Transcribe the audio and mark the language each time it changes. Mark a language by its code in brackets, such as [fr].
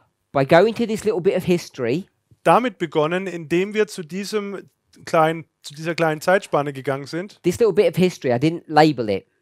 [en] by going to this little bit of history. [de] Damit begonnen, indem wir zu dieser kleinen Zeitspanne gegangen sind. [en] This little bit of history, I didn't label it.